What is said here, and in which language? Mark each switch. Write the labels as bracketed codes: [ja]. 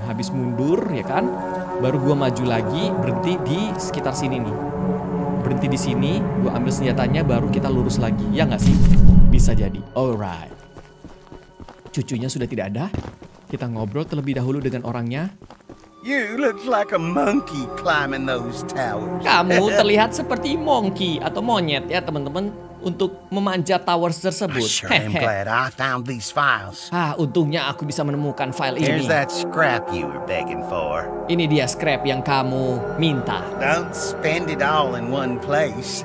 [id] Habis mundur, ya kan? Baru gue maju lagi, berhenti di sekitar sini nih. Berhenti di sini, gue ambil senjatanya, baru kita lurus lagi. Ya nggak sih? Bisa jadi. Alright. Cucunya sudah tidak ada. Kita ngobrol terlebih dahulu dengan orangnya. [en] You look like a monkey climbing those towers. [id] Kamu terlihat seperti monkey atau monyet ya teman-teman untuk memanjat towers tersebut. [en] I'm glad I found these files. [id] Ah, untungnya aku bisa menemukan file ini. [en] Here's that scrap you were begging for. [id] Ini dia scrap yang kamu minta. [en] Don't spend it all in one place.